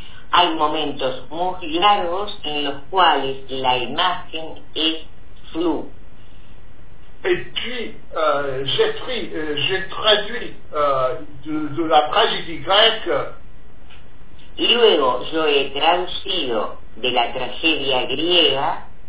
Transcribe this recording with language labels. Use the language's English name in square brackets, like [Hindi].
[Spanish] Hay momentos muy largos en los cuales la imagen es [French] floue. Et puis, j'ai traduit de la tragédie grecque. [Spanish] Luego, yo he traducido de la tragedia griega.